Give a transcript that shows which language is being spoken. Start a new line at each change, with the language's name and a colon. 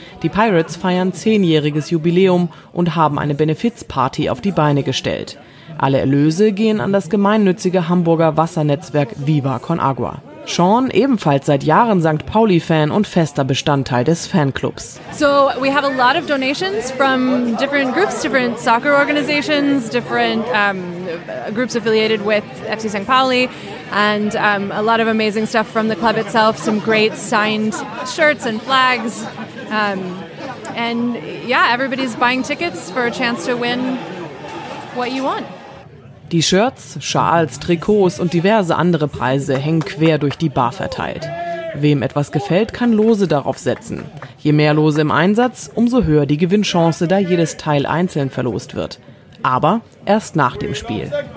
German: Die Pirates feiern 10-jähriges Jubiläum und haben eine Benefizparty auf die Beine gestellt. Alle Erlöse gehen an das gemeinnützige Hamburger Wassernetzwerk Viva Con Agua. Sean, ebenfalls seit Jahren St. Pauli-Fan und fester Bestandteil des Fanclubs.
English: So, we have a lot of donations from different groups, different soccer organizations, different groups affiliated with FC St. Pauli. And a lot of amazing stuff from the club itself, some great signed shirts and flags. And yeah, everybody's buying tickets for a chance to win what you want.
German: Die Shirts, Schals, Trikots und diverse andere Preise hängen quer durch die Bar verteilt. Wem etwas gefällt, kann Lose darauf setzen. Je mehr Lose im Einsatz, umso höher die Gewinnchance, da jedes Teil einzeln verlost wird. Aber erst nach dem Spiel.